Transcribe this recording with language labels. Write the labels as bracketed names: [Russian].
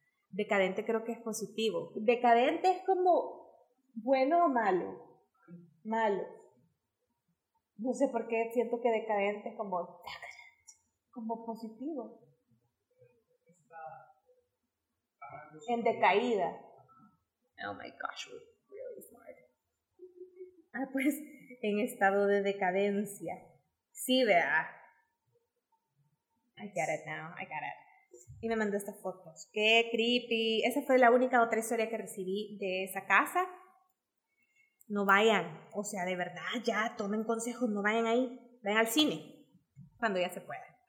[Spanish] Decadente creo que es positivo. Decadente es como bueno o malo. Malo. No sé por qué siento que decadente es como decadente, como positivo. En decaída. [English] Oh my gosh, we're really smart. [Spanish] Ah, pues, en estado de decadencia. Sí, vea. [English] I get it now, I got it. [Spanish] Y me mandó estas fotos. Qué creepy. Esa fue la única otra historia que recibí de esa casa. No vayan, o sea, de verdad, ya, tomen consejos, no vayan ahí, vayan al cine, cuando ya se pueda.